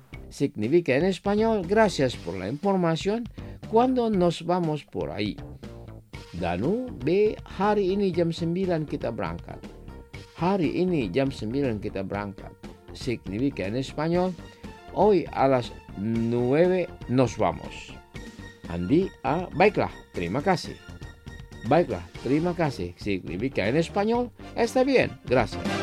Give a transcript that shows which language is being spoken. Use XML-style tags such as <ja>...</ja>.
<es>Significa en español, gracias por la información. ¿Cuándo nos vamos por ahí?</es> <id>Danu, B, hari ini jam 9 kita berangkat. Hari ini jam 9 kita berangkat.</id> <es>Significa en español, hoy a las 9 nos vamos.</es> <id>Andi, A, baiklah, terima kasih. Baiklah, terima kasih.</id> <es>Significa en español, está bien, gracias.</es>